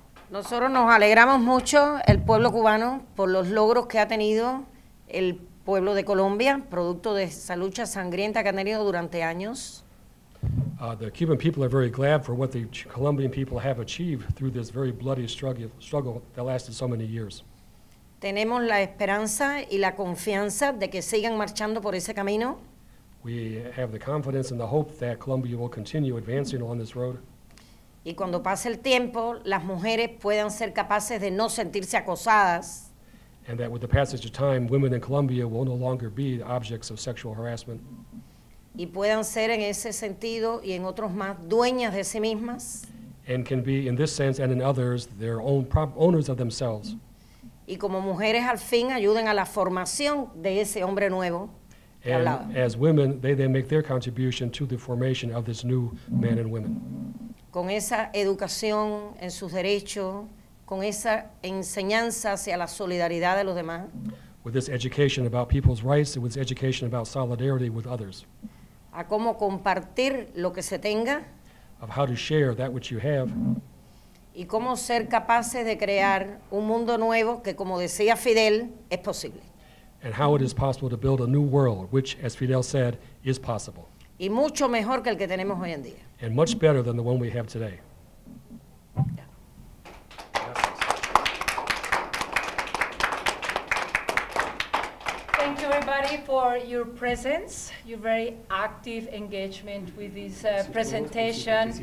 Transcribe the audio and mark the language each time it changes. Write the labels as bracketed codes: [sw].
[es] Nosotros nos alegramos mucho el pueblo cubano por los logros que ha tenido el pueblo de Colombia, producto de esa lucha sangrienta que han tenido durante años. [en] The Cuban people are very glad for what the Colombian people have achieved through this very bloody struggle that lasted so many years. [es] Tenemos la esperanza y la confianza de que sigan marchando por ese camino. [en] We have the confidence and the hope that Colombia will continue advancing along this road. [es] Y cuando pase el tiempo, las mujeres puedan ser capaces de no sentirse acosadas. [en] And that with the passage of time, women in Colombia will no longer be objects of sexual harassment. [es] Y puedan ser en ese sentido y en otros más dueñas de sí mismas. [en] And can be in this sense and in others their own owners of themselves. [es] Y como mujeres al fin ayuden a la formación de ese hombre nuevo. [en] And as women, they then make their contribution to the formation of this new man and woman. [es] Con esa educación en sus derechos, con esa enseñanza hacia la solidaridad de los demás. [en] With this education about people's rights, and with this education about solidarity with others. [es] A cómo compartir lo que se tenga. [en] Of how to share that which you have. [es] Y cómo ser capaces de crear un mundo nuevo que, como decía Fidel, es posible. [en] And how it is possible to build a new world, which, as Fidel said, is possible. [es] Y mucho mejor que el que tenemos hoy en día. [en] And much better than the one we have today. For your presence, your very active engagement with this presentation.